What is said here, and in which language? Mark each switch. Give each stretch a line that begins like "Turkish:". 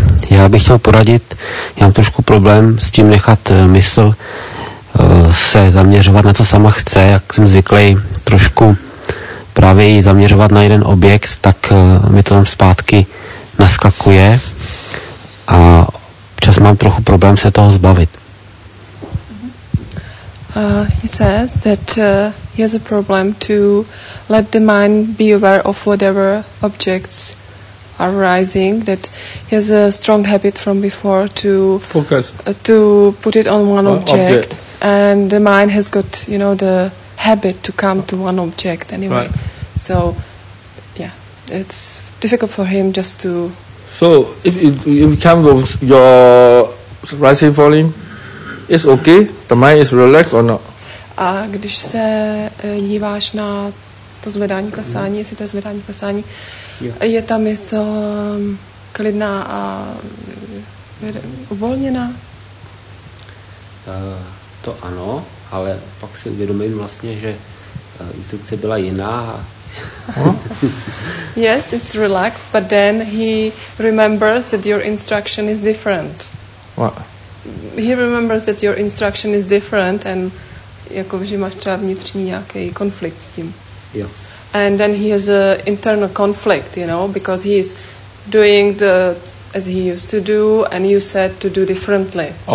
Czech: Já bych chtěl poradit, já mám trošku problém s tím nechat mysl se zaměřovat na co sama chce, jak jsem zvyklý trošku právě i zaměřovat na jeden objekt, tak mi to tam zpátky naskakuje a čas mám trochu problém se toho zbavit.
English: He says that he has a problem to let the mind be aware of whatever objects arising, that he has a strong habit from before to focus, to put it on one object, and the mind has got, you know, the habit to come to one object anyway. Right. So, yeah, it's difficult for him just to. So, if it comes with your rising falling, it's okay. The mind is relaxed or not?
Czech: A když se díváš na to zvedání klesání, jestli to je zvedání klesání. Yeah. Je ta mysl klidná a uvolněná? To ano, ale pak si uvědomím vlastně, že instrukce byla jiná.
English: Yes, it's relaxed, but then he remembers that your instruction is different. What? He remembers that your instruction is different and
Czech: jako, že máš třeba vnitřní nějaký konflikt s tím. Jo.
English: And then he has an internal conflict, you know, because he is doing the as he used to do, and you said to do differently.